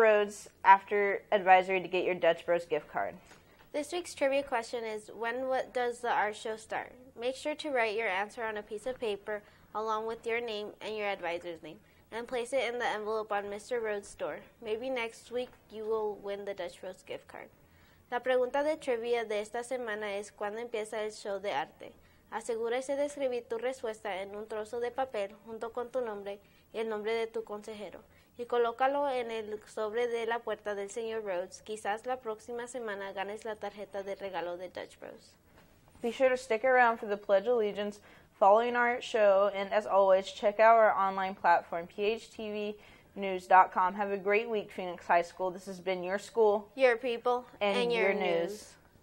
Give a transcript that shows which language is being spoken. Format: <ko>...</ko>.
<en>Rhodes after advisory to get your Dutch Bros gift card. This week's trivia question is, when does the art show start? Make sure to write your answer on a piece of paper along with your name and your advisor's name and place it in the envelope on Mr. Rhodes' door. Maybe next week you will win the Dutch Bros gift card.</en> <es>La pregunta de trivia de esta semana es, ¿cuándo empieza el show de arte? Asegúrese de escribir tu respuesta en un trozo de papel junto con tu nombre y el nombre de tu consejero. Y colócalo en el sobre de la puerta del señor Rhodes. Quizás la próxima semana ganes la tarjeta de regalo de Dutch Bros.</es> <en>Be sure to stick around for the Pledge of Allegiance following our show. And as always, check out our online platform, phtvnews.com. Have a great week, Phoenix High School. This has been your school, your people, and your news.</en>